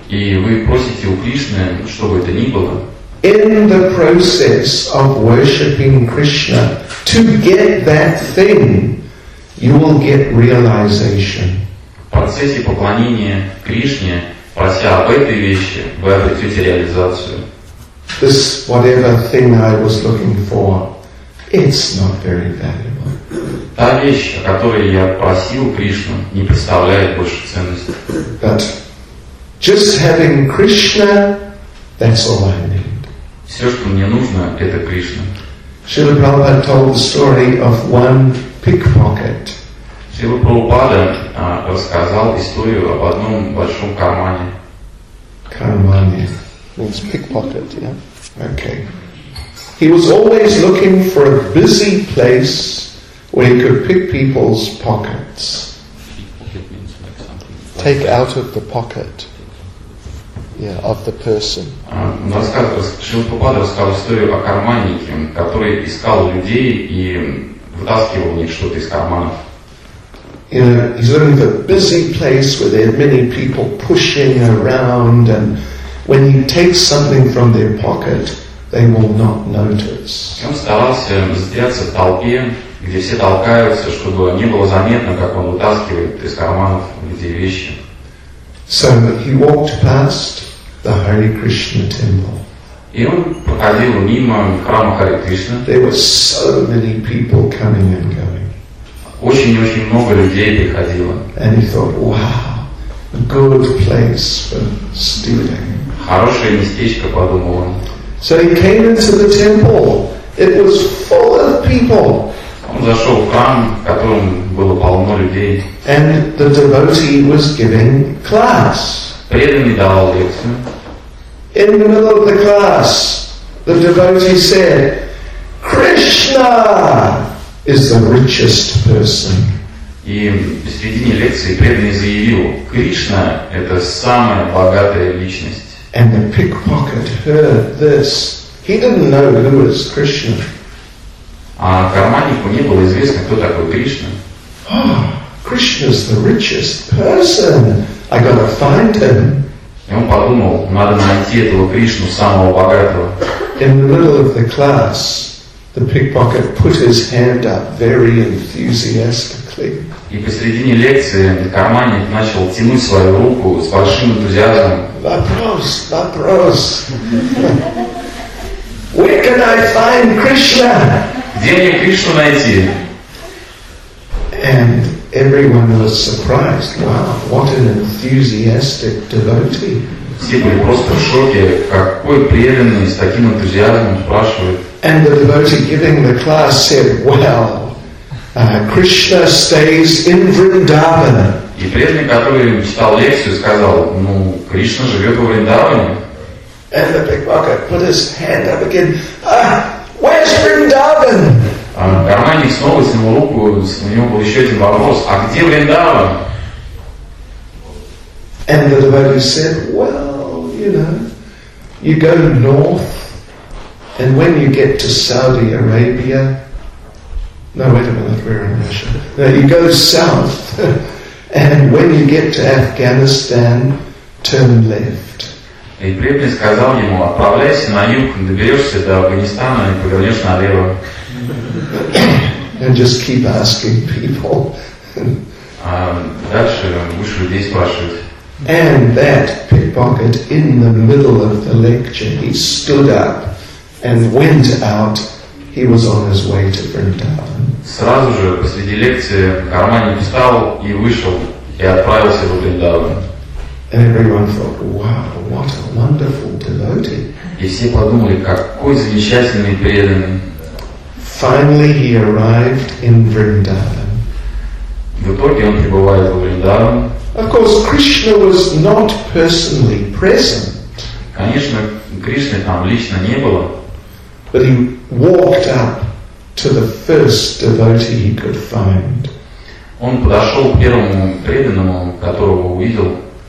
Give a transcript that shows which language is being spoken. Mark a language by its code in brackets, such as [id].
[ru] И вы просите у Кришны, что бы это ни было. [en] In the process of worshipping Krishna, to get that thing, you will get realization. [ru] В процессе поклонения Кришне, прося об этой вещи, вы обретете реализацию. [en] This whatever thing I was looking for, it's not very valuable. [ru] Та вещь, о которой я просил Кришну, не представляет больше ценности. [en] But just having Krishna, that's all I need. [ru] Все, что мне нужно, это Кришна. [en] Srila Prabhupada told the story of one pickpocket. [ru] Srila Prabhupada рассказал историю об одном большом кармане. Кармане. [en] Means pickpocket, yeah? Okay. He was always looking for a busy place where he could pick people's pockets. Pickpocket means like something. Take out of the pocket. Yeah, of the person. [ru] Шрила Прабхупада рассказывал историю о карманнике, который искал людей и вытаскивал у них что-то из карманов. [en] You know, he's looking for a busy place where there are many people pushing around, and when he takes something from their pocket, they will not notice. [ru] Он старался затеряться в толпе, где все толкаются, чтобы не было заметно, как он вытаскивает из карманов эти вещи. [en] So he walked past the Hare Krishna temple. [ru] И он проходил мимо храма Харе Кришна. [en] There were so many people coming and going. [ru] Очень-очень много людей приходило. [en] And he thought, wow, a good place for stealing. [ru] Хорошее местечко, подумал он. [en] So he came into the temple. It was full of people. [ru] Он зашел в храм, в котором было полно людей. [en] And the devotee was giving class. [ru] Преданный давал лекцию. [en] In the middle of the class, the devotee said, Krishna is the richest person. [ru] И в середине лекции преданный заявил, Кришна это самая богатая личность. [en] And the pickpocket heard this. He didn't know who was Krishna. [ru] А карманнику не было известно, кто такой Кришна. [en] Oh, Krishna's the richest person. I gotta find him. [ru] И он подумал, надо найти этого Кришну, самого богатого. [en] In the middle of the class, the pickpocket put his hand up very enthusiastically. [ru] И посредине лекции карманник начал тянуть свою руку с большим энтузиазмом. Вопрос, вопрос. [en] Where can I find Krishna? [ru] Где мне Кришну найти? [en] And everyone was surprised. Wow, what an enthusiastic devotee. [ru] Все были просто в шоке. Какой преданный с таким энтузиазмом спрашивает. [en] And the devotee giving the class said, well, Krishna stays in Vrindavan. [ru] И преданный, который читал лекцию, сказал, ну, Кришна живет во Вриндаване. [en] And the pickpocket put his hand up again. Where's Vrindavan? [ru] Карманник снова снял руку, у него был еще один вопрос, а где Вриндаван? [en] And the devotee said, well, you know, you go north, and when you get to Saudi Arabia, No, wait a minute, we're in Russia. No, you go south, and when you get to Afghanistan, turn left. [ru] И Библия сказал ему, отправляйся на юг, доберешься до Афганистана и повернешь налево. [en] And just keep asking people. [ru] Дальше будешь людей спрашивать. [en] And that pickpocket in the middle of the lecture, he stood up and went out. He was on his way to Vrindavan. [ru] Сразу же посреди лекции в кармане встал и вышел и отправился в Вриндаван. [en] And everyone thought, wow, what a wonderful devotee. [ru] И все подумали, какой замечательный преданный. [en] Finally he arrived in Vrindavan. [ru] В итоге он прибывает в Вриндаван. [en] Of course, Krishna was not personally present. [ru] Конечно, Кришны там лично не было. [en] But he walked up to the first devotee he could find. [ru] Он подошел к первому преданному, которого увидел.